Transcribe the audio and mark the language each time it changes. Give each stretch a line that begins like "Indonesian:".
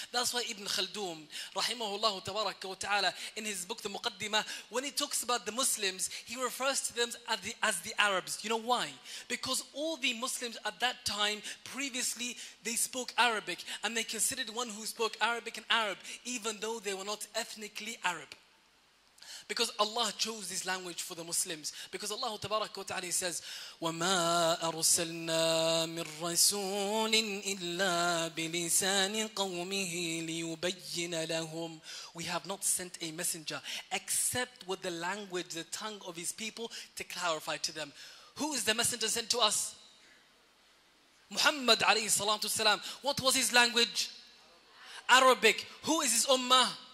English: That's why Ibn Khaldun, rahimahullah Tabaraka wa Ta'ala, in his book The Muqaddimah, when he talks about the Muslims, he refers to them as the Arabs. You know why? Because all the Muslims at that time, previously, they spoke Arabic, and they considered one who spoke Arabic an Arab, even though they were not ethnically Arab. Because Allah chose this language for the Muslims. Because Allah Tabaraka wa Ta'ala says,
Arabic: وَمَا أَرْسَلْنَا مِن رَسُولٍ إِلَّا بِلِسَانِ قَوْمِهِ لِيُبَيِّنَ لَهُمْ.
English: We have not sent a messenger except with the language, the tongue of his people, to clarify to them. Who is the messenger sent to us? Muhammad alayhi salatu salam. What was his language? Arabic. Who is his ummah?